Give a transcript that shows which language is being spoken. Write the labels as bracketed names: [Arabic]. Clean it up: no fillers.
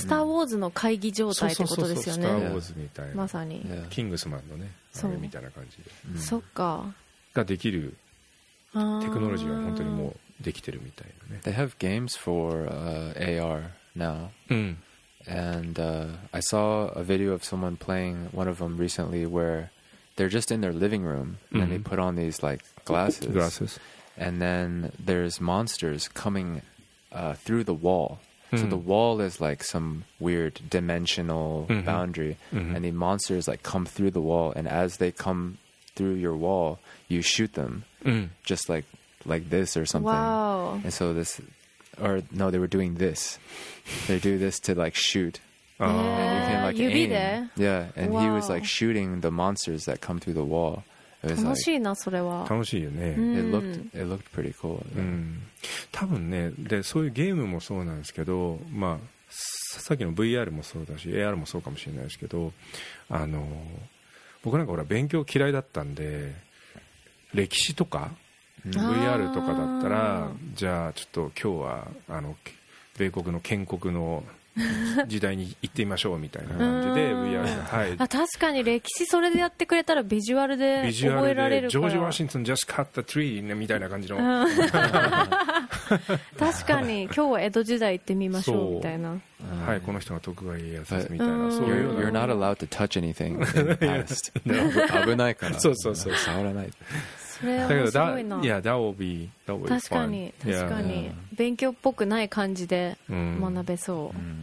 [Japanese] いやスターウォーズの会議状態ってことですよね。そうそうそうそう、スターウォーズみたいな、まさにキングスマンのね、あれみたいな感じで、そっか、ができるテクノロジーは本当にもうできてるみたいなね。 [English] They have games for AR now. And I saw a video of someone playing one of them recently where they're just in their living room and they put on these like glasses. And then there's monsters coming through the wall. So the wall is like some weird dimensional boundary. And the monsters like come through the wall, and as they come through your wall, you shoot them. Just like this or something. Wow. And so this, or no, they were doing this. They do this to like shoot. Yeah, you can like aim. Yeah, and he was like shooting the monsters that come through the wall. It was [Japanese] 楽しいな、それは。楽しいよね。 [English] It looked pretty cool. Yeah. [Japanese] 多分ね、で、そういうゲームもそうなんですけど、まあ、さっきの VR もそうだし、AR もそうかもしれないですけど、あの、僕なんかほら、勉強嫌いだったんで、歴史とか VR とかだったら、じゃあちょっと今日はあの米国の建国の時代に行ってみましょうみたいな感じで VR はい、あ確かに歴史それでやってくれたらビジュアルで覚えられるから、ジョージ・ワシントン [English] just cut the tree、 [Japanese] ね、みたいな感じの、うん、確かに今日は江戸時代行ってみましょうみたいな、はい、この人が徳川家康ですみたいな、そういうような [English] You're not allowed to touch anything in the past. [Japanese] 危ないからそうそうそう触らないだけど、 [English] だ、yeah, that will be, that will be [Japanese] 確かに、 [English] fun. [Japanese] 確かに、yeah. 勉強っぽくない感じで学べそう。